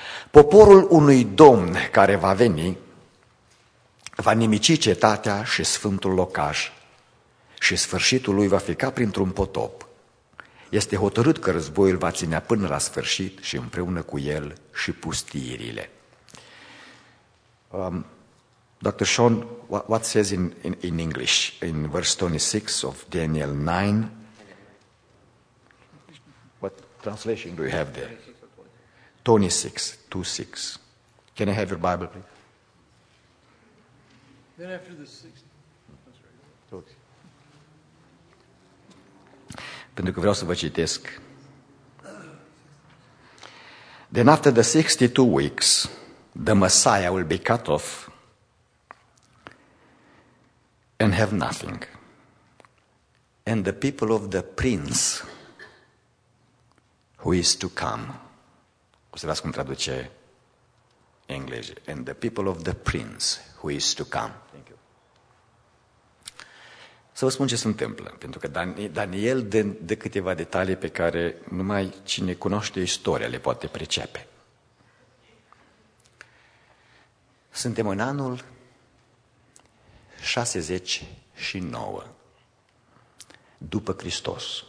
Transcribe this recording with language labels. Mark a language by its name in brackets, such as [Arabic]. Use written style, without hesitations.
[Romanian] Poporul unui domn care va veni va nimici cetatea și sfântul locaș și sfârșitul lui va fi ca printr-un potop. Este hotărât că războiul va ținea până la sfârșit și împreună cu el și pustiirile. Dr. [English] Sean, what says in English in verse 26 of Daniel 9? What translation do you have there? 26:26. Can I have your Bible, please? Then after the six. [Romanian] Pentru că vreau să vă citesc. [English] Then after the 62 weeks, the Messiah will be cut off and have nothing. And the people of the prince who is to come. [Romanian] O să las cum traduce engleză. [English] And the people of the prince who is to come. Thank you. [Romanian] Să vă spun ce se întâmplă, pentru că Daniel dă câteva detalii pe care numai cine cunoaște istoria le poate pricepe. Suntem în anul 69 după Hristos.